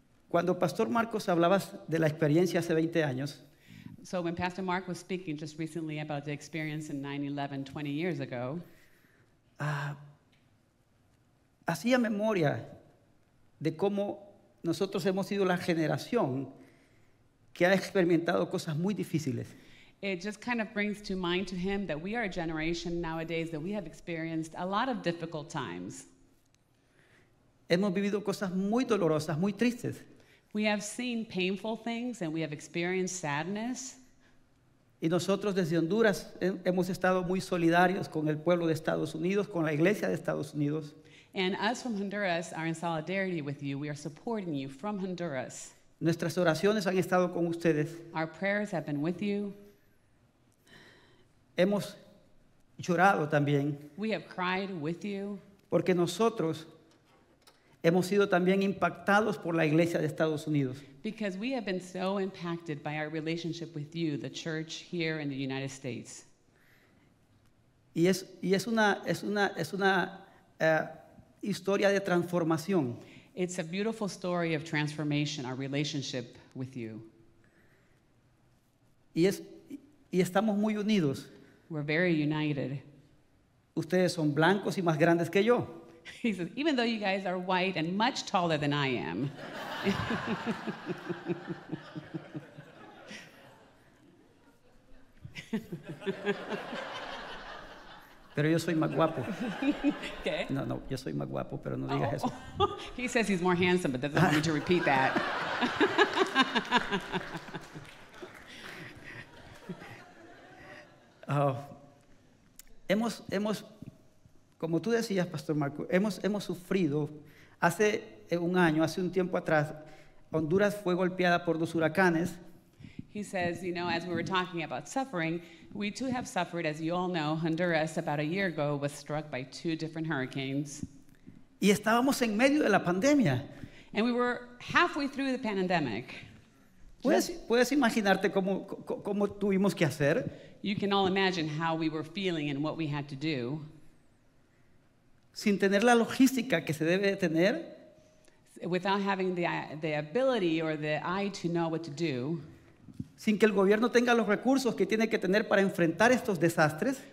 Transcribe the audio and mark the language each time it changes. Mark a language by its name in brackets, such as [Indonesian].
[Spanish] Cuando Pastor Marcos hablabas de la experiencia hace 20 años. [English] So when Pastor Mark was speaking just recently about the experience in 9/11, 20 years ago. [Spanish] Hacía memoria de cómo nosotros hemos sido la generación que ha experimentado cosas muy difíciles. [English] It just kind of brings to mind to him that we are a generation nowadays that we have experienced a lot of difficult times. [Spanish] Hemos vivido cosas muy dolorosas, muy tristes. [English] We have seen painful things and we have experienced sadness. [Spanish] Y nosotros desde Honduras hemos estado muy solidarios con el pueblo de Estados Unidos, con la iglesia de Estados Unidos. [English] And us from Honduras are in solidarity with you. We are supporting you from Honduras. [Spanish] Nuestras oraciones han estado con ustedes. [English] Our prayers have been with you. [Spanish] Hemos llorado también. [English] We have cried with you. [Spanish] Porque nosotros Hemos sido también impactados por la iglesia de Estados Unidos. [English] Because we have been so impacted by our relationship with you, the church here in the United States. [Spanish] Historia de transformación. [English] It's a beautiful story of transformation, our relationship with you. [Spanish] Y estamos muy unidos. [English] We're very united. [Spanish] Ustedes son blancos y más grandes que yo. [English] He says, even though you guys are white and much taller than I am. [Spanish] Pero yo soy más guapo. ¿Qué? No, yo soy más guapo, pero no digas eso. [English] He says he's more handsome, but doesn't want me to repeat that. [Spanish] Hemos como tú decías, Pastor Marco, hemos sufrido hace un año, hace un tiempo atrás, Honduras fue golpeada por dos huracanes. [English] He says, you know, as we were talking about suffering, we too have suffered, as you all know, Honduras about a year ago was struck by two different hurricanes. [Spanish] Y estábamos en medio de la pandemia. [English] And we were halfway through the pandemic. [Spanish] ¿Puedes imaginarte cómo tuvimos que hacer? [English] You can all imagine how we were feeling and what we had to do. [Spanish] Sin tener la logística que se debe de tener. [English] Without having the ability or the eye to know what to do. [Spanish] Sin que el gobierno tenga los recursos que tiene que tener para enfrentar estos desastres.